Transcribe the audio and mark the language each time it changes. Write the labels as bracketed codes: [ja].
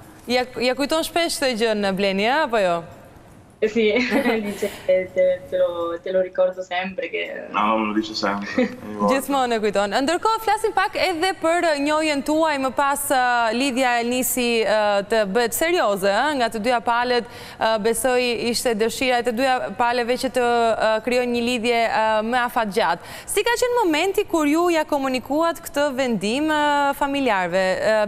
[sq] Ja kujton shpesh të gjë në Bleni, apo jo? [it] Sì, dice, te lo ricordo sempre che... No, non lo dice sempre. [sq] Gjithmonë e kujton. Ndërkohë, flasim pak edhe për njohjen tuaj, më pas lidhja e nisi të bëtë serioze, nga të dyja palët, besoj ishte dëshira e të dyja palëve që të kryon një lidhje më afat gjatë. Si ka qenë momenti kur ju ja komunikuat këtë vendim familjarve?